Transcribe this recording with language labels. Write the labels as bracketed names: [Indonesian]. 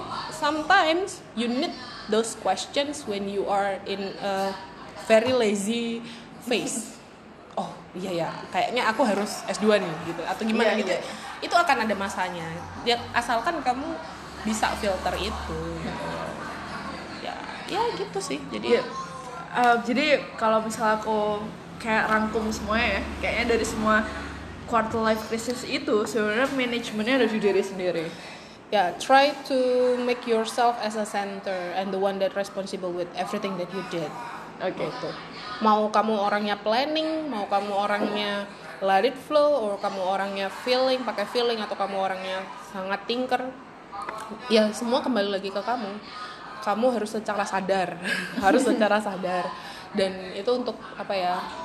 [English] Sometimes you need those questions when you are in a very lazy phase. [Indonesian] Oh iya ya, kayaknya aku harus S2 nih gitu, atau gimana gitu. Iya. Itu akan ada masanya. Ya, asalkan kamu bisa filter itu. Ya, ya gitu sih. Jadi jadi kalau misal aku kayak rangkum semuanya ya, kayaknya dari semua quarter life crisis itu sebenarnya manajemennya ada di diri sendiri. [English] Ya, yeah, try to make yourself as a center and the one that responsible with everything that you did. Okay. [Indonesian] Gitu. Mau kamu orangnya planning, mau kamu orangnya [English] let it flow, [Indonesian] or kamu orangnya feeling, pakai feeling, atau kamu orangnya sangat thinker, ya semua kembali lagi ke kamu. Kamu harus secara sadar, harus secara sadar. Dan itu untuk apa ya?